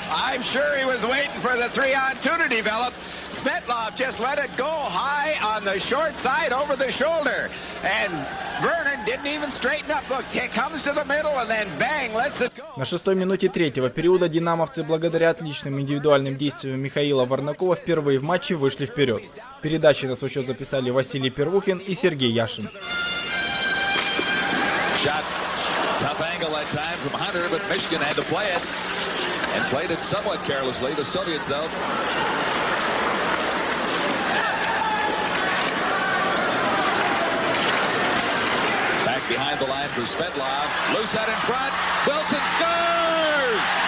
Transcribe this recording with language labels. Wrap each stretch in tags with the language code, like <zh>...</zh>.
<en>I'm sure he was waiting for the three-on-two to develop. Svetlov just let it go high on the short side over the shoulder. And Vernon didn't even straighten up. Look, he comes to the middle and then bang, lets it go.</en> <ru>На шестой минуте третьего периода динамовцы благодаря отличным индивидуальным действиям Михаила Варнакова впервые в матче вышли вперед. Передачи на свой счет записали Василий Первухин и Сергей Яшин.</ru> <en>Shot. Tough angle that time from Hunter, but Mishkin had to play it. And played it somewhat carelessly. The Soviets, though. Back behind the line for Svetlov. Loose out in front. Wilson scores!</en>